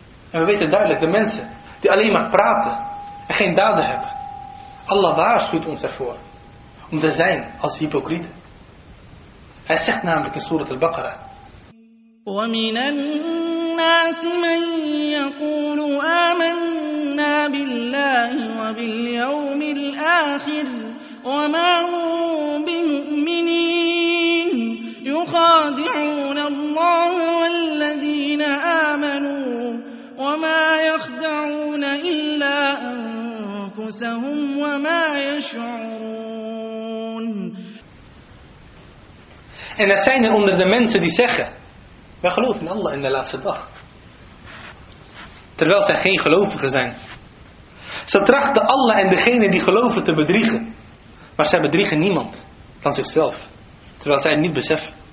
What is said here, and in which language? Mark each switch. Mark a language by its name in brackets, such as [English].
[Dutch] En we weten duidelijk, de mensen die alleen maar praten en geen daden hebben. Allah waarschuwt ons ervoor om te zijn als hypocrieten. Hij zegt namelijk in Surat al-Baqarah. [Arabic] ومن الناس من يقول آمنا بالله وباليوم الآخر وما هم بمؤمنين يخادعون الله والذين آمنوا وما يخدعون إلا أنفسهم وما يشعرون. [Dutch] En er zijn er onder de mensen die zeggen: wij geloven in Allah in de laatste dag. Terwijl zij geen gelovigen zijn. Ze trachten Allah en degene die geloven te bedriegen. Maar zij bedriegen niemand dan zichzelf. Terwijl zij het niet beseffen.